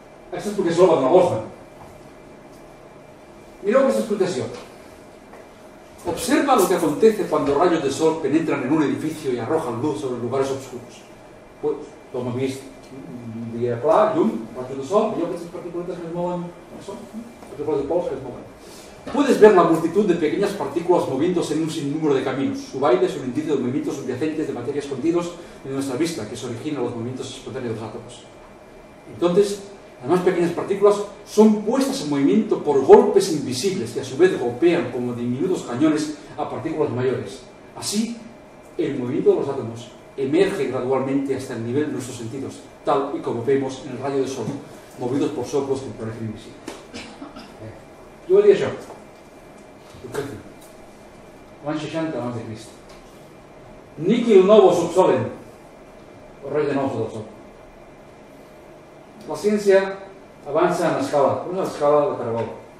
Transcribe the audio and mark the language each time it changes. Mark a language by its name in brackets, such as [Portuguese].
[Catalan] Aquesta explicació la va donar Boltzmann. Mireu aquesta explicació. [Spanish] Observa lo que acontece cuando rayos de sol penetran en un edificio y arrojan luz sobre lugares oscuros. [Catalan] Pues, com he vist, un dia clar, llum, [Spanish] rayos de sol, [Catalan] veieu aquestes partículetes que es mouen, partículas de pols que es mouen. [Spanish] Puedes ver la multitud de pequeñas partículas moviéndose en un sinnúmero de caminos. Su baile es un indicio de movimientos subyacentes de materia escondidos en nuestra vista, que se originan los movimientos espontáneos de los átomos. Entonces, las más pequeñas partículas son puestas en movimiento por golpes invisibles que a su vez golpean como diminutos cañones a partículas mayores. Así, el movimiento de los átomos emerge gradualmente hasta el nivel de nuestros sentidos, tal y como vemos en el rayo de sol, movidos por soplos que parecen invisibles. Yo diría yo, [Catalan] l'any 60 abans de Crist. [Latin] Nihil novo sub solem. [Catalan] El rei de nou sota el sol. La ciència avança en escala. Una escala de caragol.